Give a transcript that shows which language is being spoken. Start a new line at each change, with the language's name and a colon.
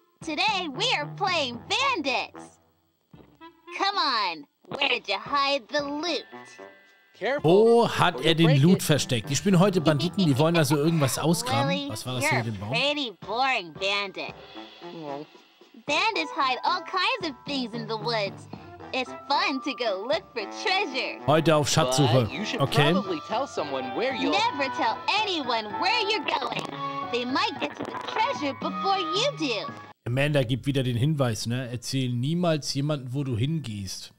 English: Today we are playing bandits. Come on. Where did you hide the loot?
German: Wo hat er den Loot versteckt? Die spielen heute Banditen, die wollen also irgendwas ausgraben. Was war das hier mit dem Baum?
English: Pretty boring, Bandit. Bandits hide all kinds of things in the woods. It's fun to go look for treasure.
German: Heute auf Schatzsuche. Okay.
English: Never tell anyone where you're going. They might get to the treasure before you do.
German: Amanda gibt wieder den Hinweis, ne? Erzähl niemals jemanden, wo du hingehst.